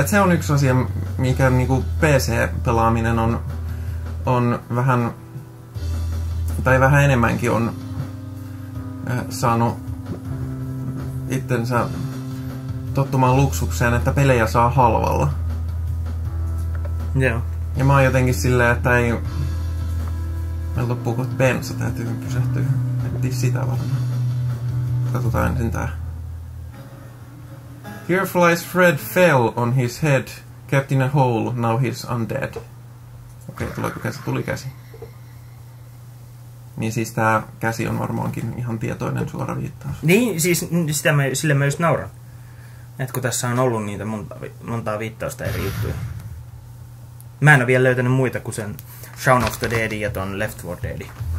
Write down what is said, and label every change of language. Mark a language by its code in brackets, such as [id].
[fi] Et se on yksi asia, mikä niinku PC-pelaaminen on vähän, tai vähän enemmänkin on saanut itsensä tottumaan luksukseen, että pelejä saa halvalla. Joo. Ja mä oon jotenkin silleen, että ei... Meillä loppuu kohta bensa, täytyy pysähtyä. Miettii sitä varmaan. Katsotaan ensin tää. [en] Here flies Fred fell on his head, kept in a hole, now he's undead. [fi] Okei, tuleeko käsi? Tuli käsi. Niin siis tää käsi on varmaankin ihan tietoinen suora viittaus. Niin, siis sitä me, sille mä just nauran. Et kun tässä on ollut niitä montaa viittausta eri juttuja. Mä en oo vielä löytänyt muita kuin sen Shaun of the Deadin ja ton Left 4 Deadin.